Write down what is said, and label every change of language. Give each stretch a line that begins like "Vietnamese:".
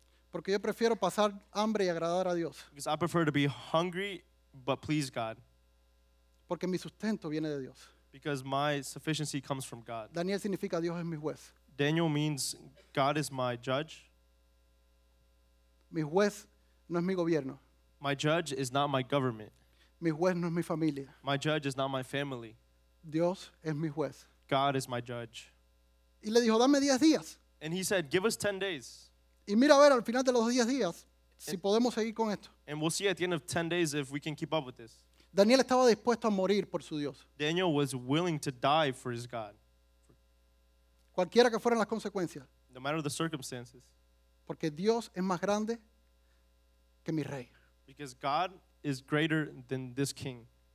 Spanish: Porque yo prefiero pasar hambre y agradar a Dios.
English: Because I prefer to be hungry, but please God.
Spanish: Porque mi sustento viene de Dios.
English: Because my sufficiency comes from God.
Spanish: Daniel significa Dios es mi juez.
English: Daniel means God is my judge.
Spanish: Mi juez no es mi gobierno.
English: My judge is not my government.
Spanish: Mi juez no es mi familia.
English: My judge is not my family.
Spanish: Dios es mi juez.
English: God is my judge.
Spanish: Y le dijo, dame 10 días.
English: And he said, give us 10 days.
Spanish: Y mira a ver al final de los 10 días si podemos seguir con esto.
English: And we'll see at the end of 10 days if we can keep up with this.
Spanish: Daniel estaba dispuesto a morir por su Dios.
English: Daniel was willing to die for his God.
Spanish: Cualquiera que fueran las consecuencias.
English: No matter the circumstances.
Spanish: Porque Dios es más grande que mi rey.
English: Because God is greater than this king.